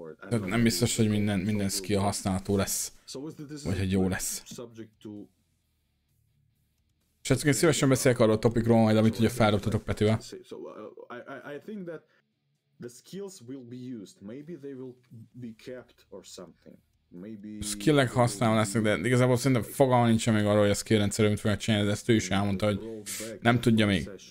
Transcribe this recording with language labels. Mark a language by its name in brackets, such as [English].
[Hungarian] Nem biztos, hogy minden skill használható lesz, vagy hogy jó lesz. Srácok, én szívesen beszélek arról a topikról majd, amit ugye feldobtatok Petővel. [English] So, I think that the skills will be used. Maybe they will be kept or something. Maybe... [Hungarian] Skillek használva lesznek, de igazából szerintem fogalma nincs még arról, hogy a skill rendszerű mit fogja csinálni, de ezt ő is elmondta, hogy nem tudja még.